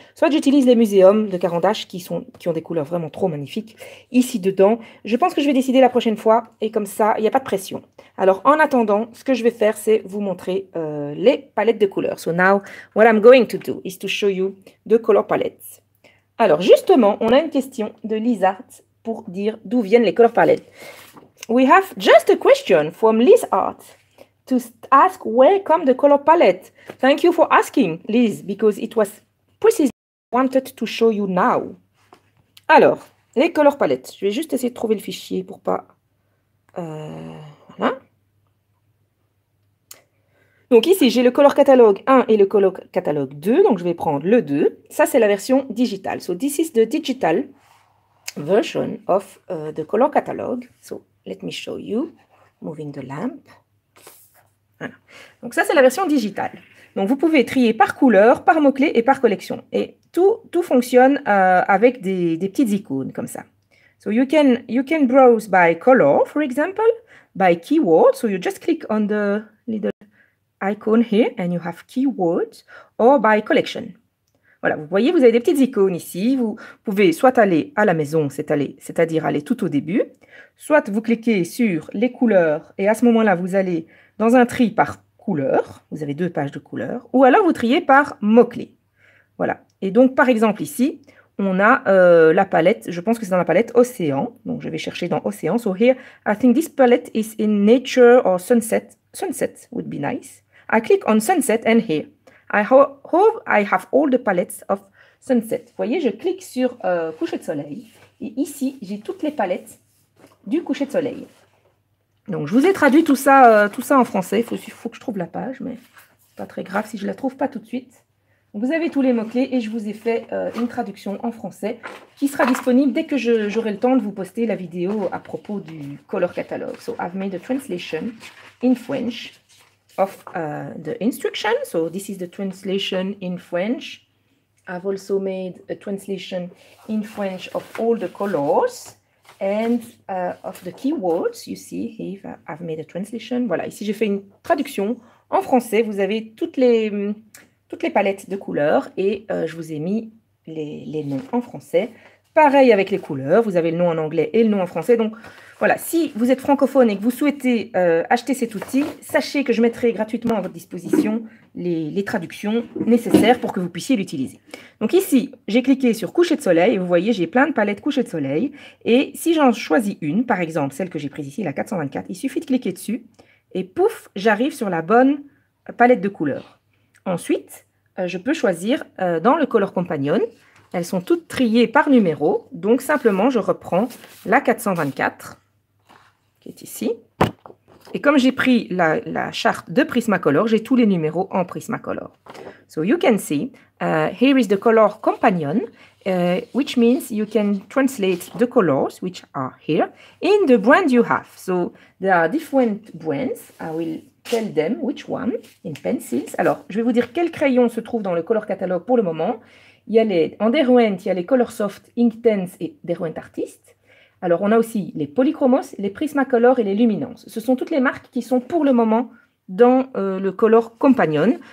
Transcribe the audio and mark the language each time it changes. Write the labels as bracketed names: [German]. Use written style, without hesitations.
[French] Soit j'utilise les muséums de Caran d'Ache qui ont des couleurs vraiment trop magnifiques ici dedans. Je pense que je vais décider la prochaine fois et comme ça, il n'y a pas de pression. Alors, en attendant, ce que je vais faire, c'est vous montrer les palettes de couleurs. [English] So now, what I'm going to do is to show you the color palettes. [French] Alors, justement, on a une question de Lizard. Pour dire d'où viennent les color palettes. [English] We have just a question from Liz Art to ask where come the color palette. Thank you for asking, Liz, because it was precisely wanted to show you now. [French] Alors, les color palettes. Je vais juste essayer de trouver le fichier pour pas... voilà. Donc ici, j'ai le color catalogue 1 et le color catalogue 2. Donc je vais prendre le 2. Ça, c'est la version digitale. [English] So this is the digital version of the color catalog. So let me show you, moving the lamp. Voilà. [French] Donc ça c'est la version digitale. Donc vous pouvez trier par couleur, par mot-clé et par collection. Et tout fonctionne avec des petites icônes comme ça. [English] So you can browse by color, for example, by keyword. So you just click on the little icon here and you have keywords or by collection. [French] Voilà, vous voyez, vous avez des petites icônes ici. Vous pouvez soit aller à la maison, c'est-à-dire aller tout au début, soit vous cliquez sur les couleurs et à ce moment-là, vous allez dans un tri par couleur. Vous avez deux pages de couleurs. Ou alors, vous triez par mot-clé. Voilà. Et donc, par exemple, ici, on a la palette. Je pense que c'est dans la palette Océan. Donc, je vais chercher dans Océan. [English] So here, I think this palette is in Nature or Sunset. Sunset would be nice. I click on Sunset and here. I hope I have all the palettes of Sunset. [French] Vous voyez, je clique sur coucher de soleil. Et ici, j'ai toutes les palettes du coucher de soleil. Donc, je vous ai traduit tout ça en français. Il faut que je trouve la page, mais pas très grave si je ne la trouve pas tout de suite. Donc, vous avez tous les mots-clés et je vous ai fait une traduction en français qui sera disponible dès que j'aurai le temps de vous poster la vidéo à propos du color catalogue. [English] So, I've made a translation in French of the instruction. So this is the translation in French. I've also made a translation in French of all the colors and of the keywords. You see, here I've made a translation. [French] Voilà, ici j'ai fait une traduction en français. Vous avez toutes les palettes de couleurs et je vous ai mis les noms en français. Pareil avec les couleurs, vous avez le nom en anglais et le nom en français. Donc voilà, si vous êtes francophone et que vous souhaitez acheter cet outil, sachez que je mettrai gratuitement à votre disposition les traductions nécessaires pour que vous puissiez l'utiliser. Donc ici, j'ai cliqué sur coucher de soleil et vous voyez, j'ai plein de palettes coucher de soleil. Et si j'en choisis une, par exemple celle que j'ai prise ici, la 424, il suffit de cliquer dessus et pouf, j'arrive sur la bonne palette de couleurs. Ensuite, je peux choisir dans le Color Companion. Elles sont toutes triées par numéro, donc simplement je reprends la 424 qui est ici. Et comme j'ai pris la charte de Prismacolor, j'ai tous les numéros en Prismacolor. [English] So you can see, here is the color companion, which means you can translate the colors, which are here, in the brand you have. So there are different brands, I will tell them which one, in pencils. [French] Alors, je vais vous dire quel crayon se trouve dans le color catalogue pour le moment. Il y a en Derwent, il y a les Colorsoft, Inktense et Derwent Artist. Alors, on a aussi les Polychromos, les Prismacolor et les Luminance. Ce sont toutes les marques qui sont pour le moment dans le Color Companion.